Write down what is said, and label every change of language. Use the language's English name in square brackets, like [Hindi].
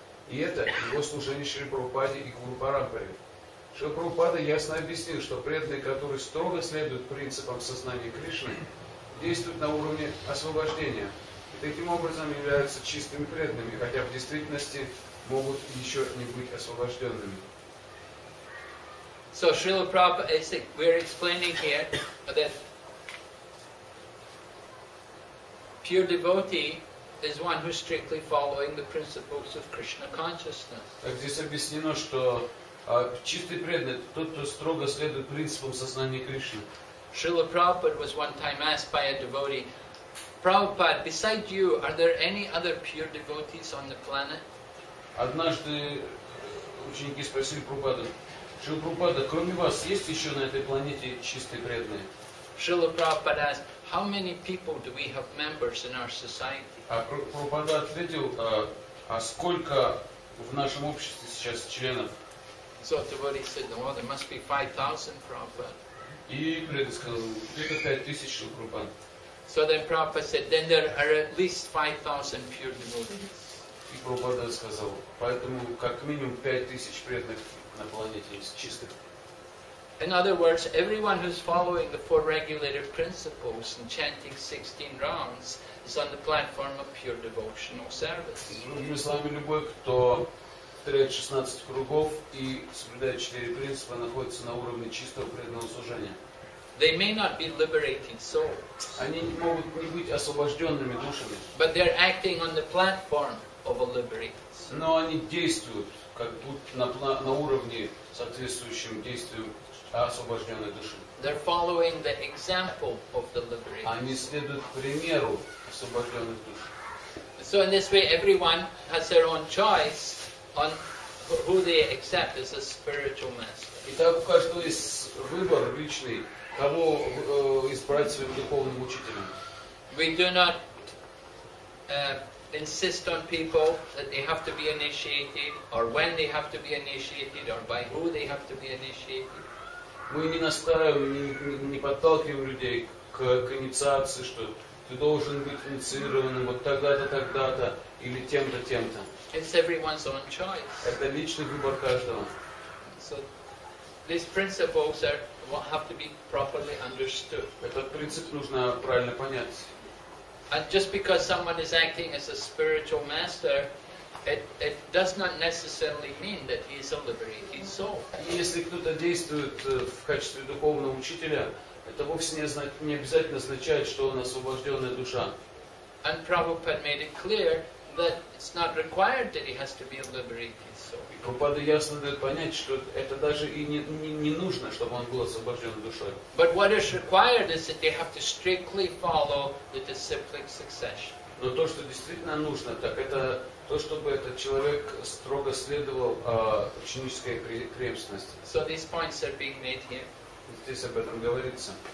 [Russian] И это его служение Шри Прабхупаде и Гуру Парампаре. Шри Прабхупада ясно объяснил, что преданные, которые строго следуют принципам сознания Кришны, действуют на уровне освобождения и таким образом являются чистыми преданными, хотя в действительности могут еще не быть освобожденными. [English] So Srila Prabhupada, we're explaining here that pure devotee is one who's strictly following the principles of Krishna consciousness. [Russian] Так здесь объяснено, что чистый преданный — это тот, кто строго следует принципам сознания Кришны. [English] Srila Prabhupada was one time asked by a devotee, Prabhupada, besides you, are there any other pure devotees on the planet? [Russian] Однажды ученики спросили Прабхупаду, Шрила Прабхупада, кроме вас, есть еще на этой планете чистые преданные? [English] Шрила Прабхупада asked, how many people do we have members in our society? [Russian] А Прабхупада ответил, а сколько в нашем обществе сейчас членов? [English] So the devotee said, no, there must be 5,000, Prabhupada. [Russian] И преданный сказал, где-то 5,000, Шрила Прабхупада. [English] So then Prabhupada said, then there are at least 5,000 pure devotees. [Russian] И Прабхупада сказал, поэтому как минимум 5,000 преданных на планете есть чистых. [English] In other words, everyone who's following the four regulative principles and chanting 16 rounds is on the platform of pure devotional service. [Russian] Другими словами, любой, кто повторяет 16 кругов и соблюдает 4 принципа, находится на уровне чистого преданного служения. [English] They may not be liberating souls. [Russian] Они могут не быть освобожденными душами. [English] But they're acting on the platform of a liberated soul. [Russian] Но они действуют как будто на уровне соответствующим действиям освобожденной души. [English] They're following the example of the liberated soul. [Russian] Они следуют примеру освобожденных душ. [English] So in this way, everyone has their own choice on who they accept as a spiritual master. [Russian] Итак, у каждого есть выбор личный, кого избрать своим духовным учителем. [English] We do not insist on people that they have to be initiated, or when they have to be initiated, or by who they have to be initiated. [Russian] Мы не настаиваем, не подталкиваем людей к инициации, что ты должен быть инициированным вот тогда-то, или тем-то. [English] It's everyone's own choice. [Russian] Это личный выбор каждого. [English] So these principles have to be properly understood. [Russian] Этот принцип нужно правильно понять. [English] And just because someone is acting as a spiritual master, it does not necessarily mean that he is a liberated soul. [Russian] Если кто-то действует в качестве духовного учителя, это вовсе не обязательно означает, что он освобожденная душа. [English] And Prabhupada made it clear that it's not required that he has to be a liberated soul. [Russian] И Прабхупада ясно дает понять, что это даже и не нужно, чтобы он был освобожден душой. [English] But what is required is that they have to strictly follow the disciplic succession. [Russian] Но то, что действительно нужно, так это то, чтобы этот человек строго следовал ученической преемственности. [English] So these points are being made here. [Russian] Здесь об этом говорится.